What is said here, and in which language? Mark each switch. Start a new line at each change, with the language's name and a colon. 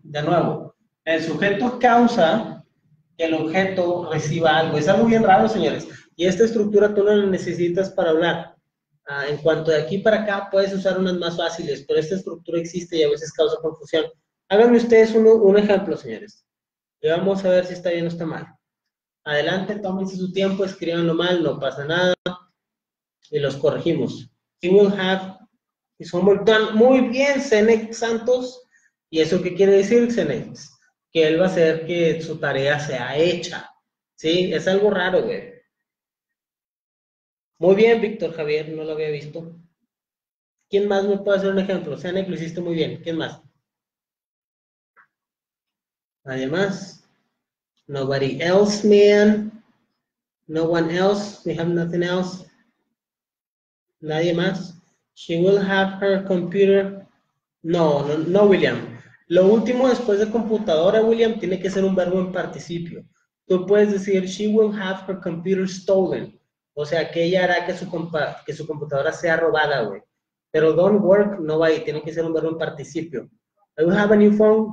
Spanish: De nuevo, el sujeto causa que el objeto reciba algo. Es algo bien raro, señores. Y esta estructura tú no la necesitas para hablar. Ah, en cuanto de aquí para acá, puedes usar unas más fáciles, pero esta estructura existe y a veces causa confusión. Háganme ustedes un ejemplo, señores. Y vamos a ver si está bien o está mal. Adelante, tómense su tiempo, escríbanlo mal, no pasa nada. Y los corregimos.
English: He will have his homework done.
Spanish: Muy bien, Zenex Santos. ¿Y eso qué quiere decir, Zenex? Que él va a hacer que su tarea sea hecha. ¿Sí? Es algo raro, güey. Muy bien, Víctor Javier, no lo había visto. ¿Quién más me puede hacer un ejemplo? Zenex, lo hiciste muy bien. ¿Quién más? ¿Nadie más?
English: Nobody else, man. No one else. We have nothing else.
Spanish: ¿Nadie más?
English: She will have her computer.
Spanish: No, no, no, William. Lo último después de computadora, William, tiene que ser un verbo en participio. Tú puedes decir,
English: she will have her computer stolen.
Spanish: O sea, que ella hará que su computadora sea robada, güey. Pero
English: don't work,
Spanish: no va ahí. Tiene que ser un verbo en participio.
English: I will have a new phone.